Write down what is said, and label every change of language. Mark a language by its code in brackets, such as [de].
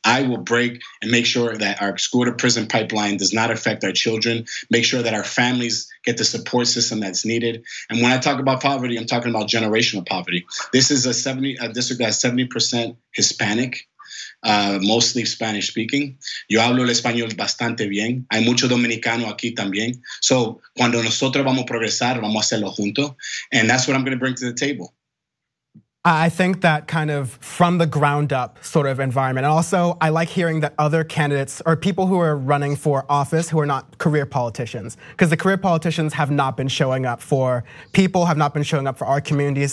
[en] I will break and make sure that our school to prison pipeline does not affect our children, make sure that our families get the support system that's needed. And when I talk about poverty, I'm talking about generational poverty. This is a district that's 70% Hispanic, mostly Spanish speaking. [es] Yo hablo el español bastante bien. Hay mucho dominicano aquí también. So cuando nosotros vamos a progresar, vamos a hacerlo junto. [en] And that's what I'm going to bring to the table. I think that kind of from the ground up sort of environment. And also, I like hearing that other candidates or people who are running for office who are not career politicians, because the career politicians have not been showing up for people, have not been showing up for our communities.